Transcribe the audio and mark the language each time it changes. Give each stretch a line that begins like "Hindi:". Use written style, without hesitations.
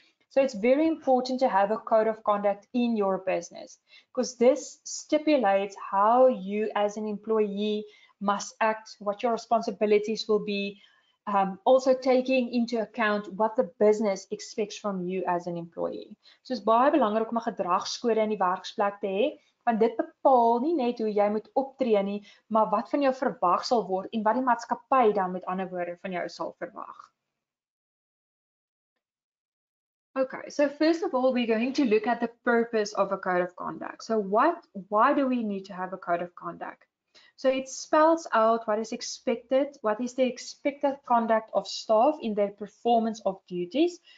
English: So it's very important to have a code of conduct in your business because this stipulates how you as an employee must act, what your responsibilities will be. Also taking into account what the business expects from you as an employee.
Afrikaans: So is baie belangrik om 'n gedragskode in die werksplek te hê, want dit bepaal nie net hoe jy moet optree nie, maar wat van jou verwag sal word en wat die maatskappy dan met ander woorde van jou sal verwag.
English: Okay, so first of all, we're going to look at the purpose of a code of conduct. So why do we need to have a code of conduct? So it spells out what is the expected conduct of staff in their performance of duties.